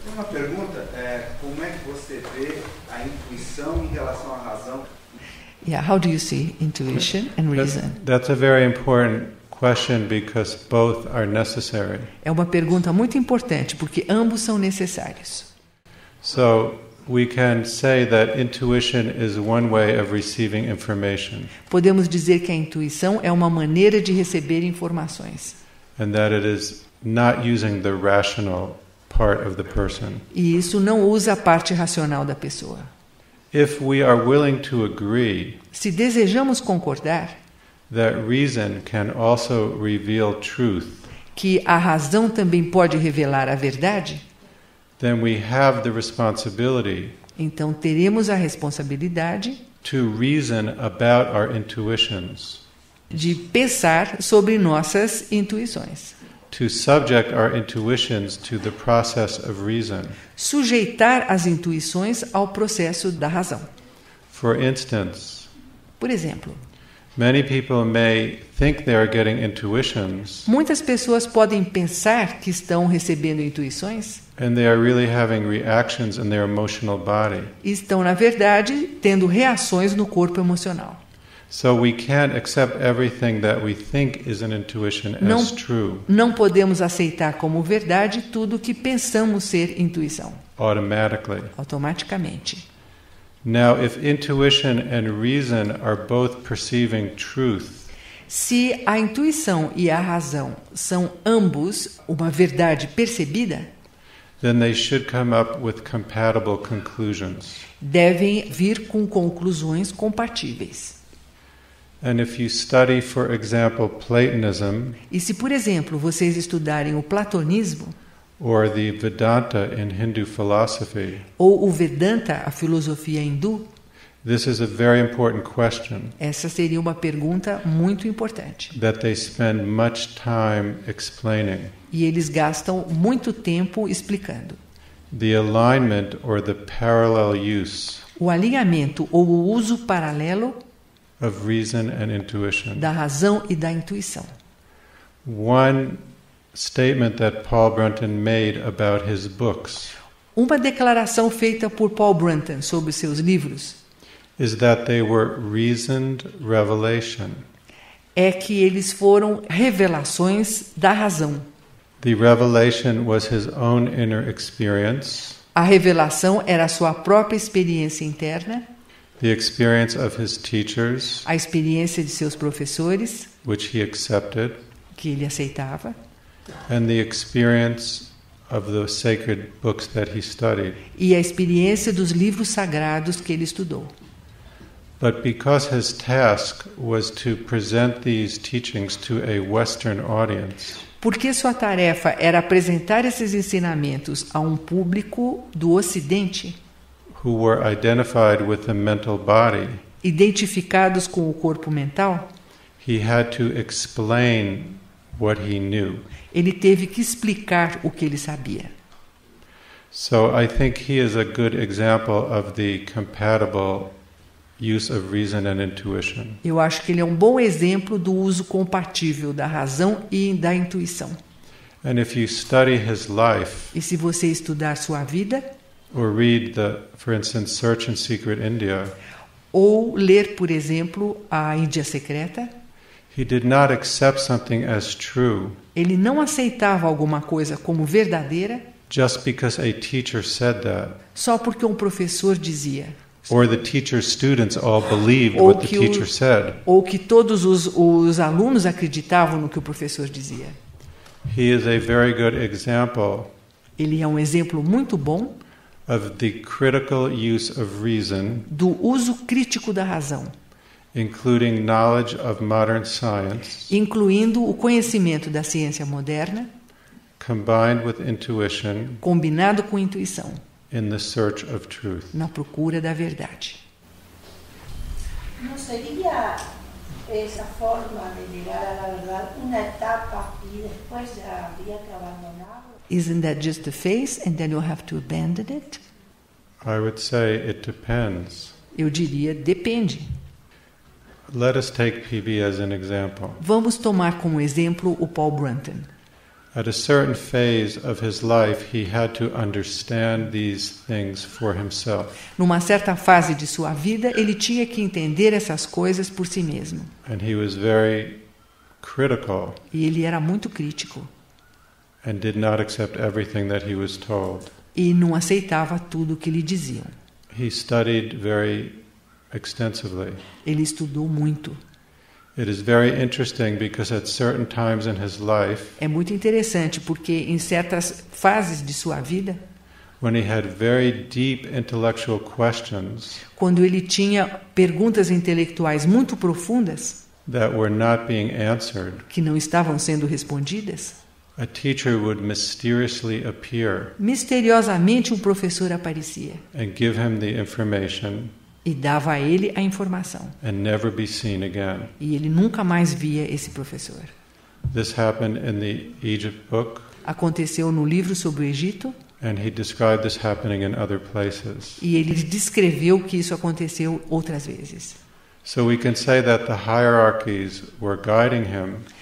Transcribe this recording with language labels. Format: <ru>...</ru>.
<pt>uma pergunta, como é que você vê a intuição em relação à razão?</pt> <en>Yeah, how do you see intuition and reason? That's a very important question because both are necessary.</en> <pt>É uma pergunta muito importante porque ambos são necessários.</pt> <en>So, we can say that intuition is one way of receiving information.</en> <pt>Podemos dizer que a intuição é uma maneira de receber informações.</pt> <en>And that it is not using the rational part of the person.</en> <pt>E isso não usa a parte racional da pessoa.</pt> <en>If we are willing to agree,</en> <pt>se desejamos concordar,</pt> <en>that reason can also reveal truth,</en> <pt>que a razão também pode revelar a verdade,</pt> <en>then we have the responsibility,</en> <pt>então teremos a responsabilidade,</pt> <en>to reason about our intuitions,</en> <pt>de pensar sobre nossas intuições,</pt> <en>to subject our intuitions to the process of reason,</en> <pt>sujeitar as intuições ao processo da razão.</pt> <en>For instance,</en> <pt>por exemplo,</pt> <en>many people may think they are getting intuitions,</en> <pt>muitas pessoas podem pensar que estão recebendo intuições,</pt> <en>and they are really having reactions in their emotional body.</en> <pt>Estão na verdade tendo reações no corpo emocional.</pt> <en>So we can't accept everything that we think is an intuition as true.</en> <pt>Não podemos aceitar como verdade tudo o que pensamos ser intuição.</pt> <en>Automatically.</en> <pt>Automaticamente.</pt> <en>Now, if intuition and reason are both perceiving truth,</en> <pt>se a intuição e a razão são ambos uma verdade percebida,</pt> <en>then they should come up with compatible conclusions.</en> <pt>Devem vir com conclusões compatíveis.</pt> <en>And if you study, for example, Platonism,</en> <pt>e se, por exemplo, vocês estudarem o platonismo,</pt> <en>or the Vedanta in Hindu philosophy,</en> <pt>ou o Vedanta, a filosofia hindu,</pt> <en>this is a very important question,</en> <pt>essa seria uma pergunta muito importante,</pt> <en>that they spend much time explaining,</en> <pt>e eles gastam muito tempo explicando,</pt> <en>the alignment or the parallel use,</en> <pt>o alinhamento ou o uso paralelo</pt> <en>of reason and intuition,</en> <pt>da razão e da intuição.</pt> <en>One statement that Paul Brunton made about his books,</en> <pt>uma declaração feita por Paul Brunton sobre seus livros,</pt> <en>is that they were reasoned revelation,</en> <pt>é que eles foram revelações da razão.</pt> <en>The revelation was his own inner experience,</en> <pt>a revelação era a sua própria experiência interna,</pt> <en>the experience of his teachers,</en> <pt>a experiência de seus professores,</pt> <en>which he accepted,</en> <pt>que ele aceitava,</pt> <en>and the experience of the sacred books that he studied,</en> <pt>e a experiência dos livros sagrados que ele estudou.</pt> <en>But because his task was to present these teachings to a Western audience,</en> <pt>porque sua tarefa era apresentar esses ensinamentos a um público do Ocidente,</pt> <en>who were identified with the mental body,</en> <pt>identificados com o corpo mental,</pt> <en>he had to explain what he knew.</en> <pt>Ele teve que explicar o que ele sabia.</pt> <en>So I think he is a good example of the compatible use of reason and intuition.</en> <pt>Eu acho que ele é um bom exemplo do uso compatível da razão e da intuição.</pt> <en>And if you study his life,</en> <pt>e se você estudar sua vida,</pt> <en>or read the, for instance, Search and Secret India,</en> <pt>ou ler, por exemplo, a Índia Secreta,</pt> <en>he did not accept something as true,</en> <pt>ele não aceitava alguma coisa como verdadeira,</pt> <en>just because a teacher said that,</en> <pt>só porque um professor dizia,</pt> <en>or the teacher's students all believed what the teacher said,</en> <pt>ou que todos os alunos acreditavam no que o professor dizia.</pt> <en>He is a very good example,</en> <pt>ele é um exemplo muito bom,</pt> <en>of the critical use of reason,</en> <pt>do uso crítico da razão,</pt> <en>including knowledge of modern science,</en> <pt>incluindo o conhecimento da ciência moderna,</pt> <en>combined with intuition,</en> <pt>combinado com intuição,</pt> <en>in the search of truth,</en> <pt>na procura da verdade. Não seria essa forma de ligar a verdade uma etapa e depois havia que abandonar?</pt> <en>Isn't that just a phase and then you'll have to abandon it? I would say it depends.</en> <pt>Eu diria depende.</pt> <en>Let us take PB as an example.</en> <pt>Vamos tomar como exemplo o Paul Brunton.</pt> <en>at a certain phase of his life, he had to understand these things for himself.</en> <pt>Numa certa fase de sua vida, ele tinha que entender essas coisas por si mesmo.</pt> <en>And he was very critical.</en> <pt>E ele era muito crítico.</pt> <en>And did not accept everything that he was told.</en> <pt>E não aceitava tudo o que lhe diziam.</pt> <en>He studied very extensively.</en> <pt>Ele estudou muito.</pt> <en>It is very interesting because at certain times in his life,</en> <pt>é muito interessante porque em certas fases de sua vida,</pt> <en>when he had very deep intellectual questions,</en> <pt>quando ele tinha perguntas intelectuais muito profundas,</pt> <en>that were not being answered,</en> <pt>que não estavam sendo respondidas,</pt> <en>a teacher would mysteriously appear,</en> <pt>misteriosamente um professor aparecia,</pt> <en>and give him the information,</en> <pt>e dava a ele a informação.</pt> <en>And never be seen again.</en> <pt>E ele nunca mais via esse professor.</pt> <en>This happened in the Egypt book.</en> <pt>Aconteceu no livro sobre o Egito.</pt> <en>And he described this happening in other places.</en> <pt>E ele descreveu que isso aconteceu outras vezes.</pt> <en>So we can say that the hierarchies were guiding him.</en>